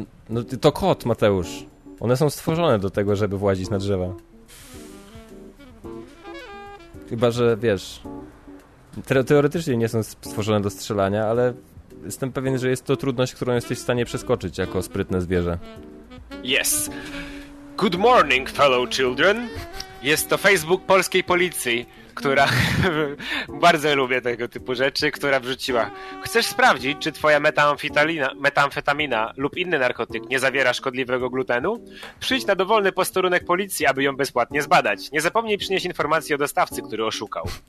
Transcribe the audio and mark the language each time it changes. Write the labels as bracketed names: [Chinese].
[Polish] No to kot, Mateusz. One są stworzone do tego, żeby włazić na drzewa. Chyba, że wiesz... Teoretycznie nie są stworzone do strzelania, ale jestem pewien, że jest to trudność, którą jesteś w stanie przeskoczyć jako sprytne zwierzę. [English] Yes. Good morning, fellow children. [Polish] Jest to Facebook polskiej policji, która... Bardzo lubię tego typu rzeczy, która wrzuciła. Chcesz sprawdzić, czy twoja metamfetamina lub inny narkotyk nie zawiera szkodliwego glutenu? Przyjdź na dowolny posterunek policji, aby ją bezpłatnie zbadać. Nie zapomnij przynieść informacji o dostawcy, który oszukał.